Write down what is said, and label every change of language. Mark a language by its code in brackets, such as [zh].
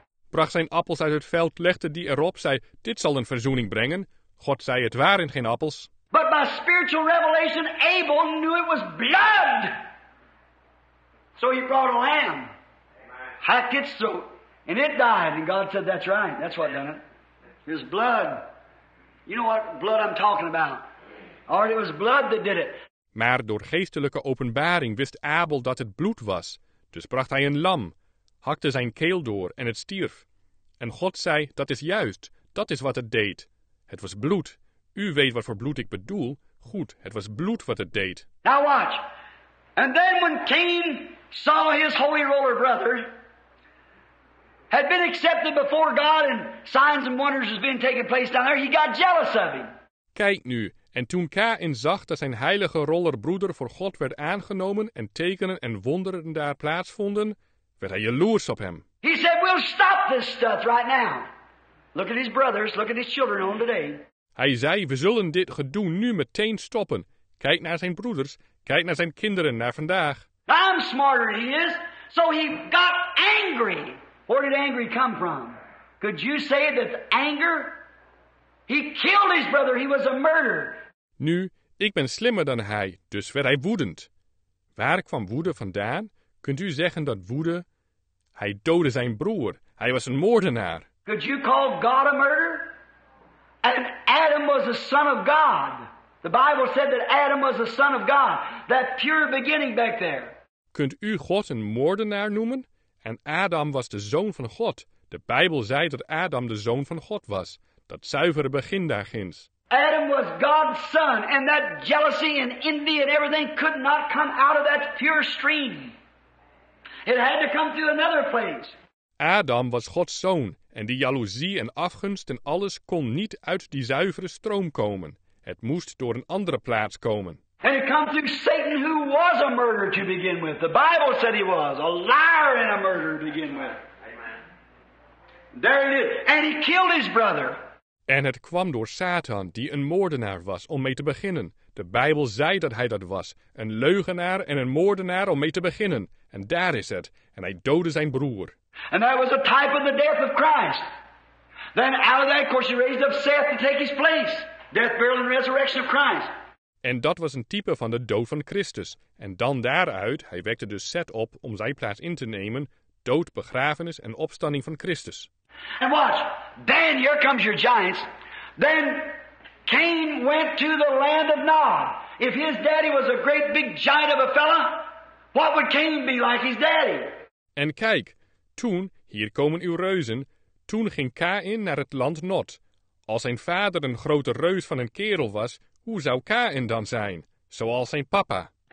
[nl] Bracht zijn appels uit het veld, legde die erop, zei, dit zal een verzoening brengen. God zei, het waren geen appels. [en] But by spiritual revelation, Abel knew it was blood. So he brought a lamb. Hacked its throat. And it died, and God said, that's right, that's what done it. It was blood. You know what blood I'm talking about. Or it was blood that did it. [nl] Maar door geestelijke openbaring wist Abel dat het bloed was. Dus bracht hij een lam, hakte zijn keel door en het stierf. En God zei, dat is juist, dat is wat het deed. Het was bloed. U weet wat voor bloed ik bedoel. Goed, het was bloed wat het deed. [en] Now watch. And then when Cain saw his holy roller brother had been accepted before God and signs and wonders has been taking place down there, he got jealous of him. [nl] Kijk nu, en toen Kain zag dat zijn heilige rollerbroeder voor God werd aangenomen en tekenen en wonderen daar plaatsvonden, werd hij jaloers op hem. [en] He said, we'll stop this stuff right now. Look at his brothers, look at his children on today. [nl] Hij zei, we zullen dit gedoe nu meteen stoppen. Kijk naar zijn broeders, kijk naar zijn kinderen, naar vandaag. [en] I'm smarter than he is, so he got angry. Where did anger come from? Could you say that anger? He killed his brother. He was a murderer. [nl] Nu, ik ben slimmer dan hij, dus werd hij woedend. Waar kwam woede vandaan? Kunt u zeggen dat woede? Hij doodde zijn broer. Hij was een moordenaar. [en] Could you call God a murderer? And Adam was the son of God. The Bible said that Adam was the son of God. That pure beginning back there. [nl] Kunt u God een moordenaar noemen? En Adam was de zoon van God. De Bijbel zei dat Adam de zoon van God was. Dat zuivere begin daar ginds. [en] Adam was God's son. And that jealousy and envy and everything could not come out of that pure stream. It had to come through another place. [nl] Adam was God's zoon. En die jaloezie en afgunst en alles kon niet uit die zuivere stroom komen. Het moest door een andere plaats komen. [en] And it comes through Satan, who was a murderer to begin with. The Bible said he was a liar and a murderer to begin with. Amen. There it is. And he killed his brother. [nl] En het kwam door Satan, die een moordenaar was, om mee te beginnen. De Bijbel zei dat hij dat was. Een leugenaar en een moordenaar om mee te beginnen. En daar is het. En hij doodde zijn broer. [en] And that was a type of the death of Christ. Then out of that, of course, he raised up Seth to take his place. Death, burial, and resurrection of Christ. [nl] En dat was een type van de dood van Christus. En dan daaruit, hij wekte dus Seth op om zijn plaats in te nemen, dood, begrafenis en opstanding van Christus. [en] And watch, then here comes your giants. Then Cain went to the land of Nod. If his daddy was a great big giant of a fella, what would Cain be like his daddy? [nl] En kijk, toen, hier komen uw reuzen, toen ging Cain naar het land Nod. Als zijn vader een grote reus van een kerel was, hoe zou Cain dan zijn, zoals zijn papa?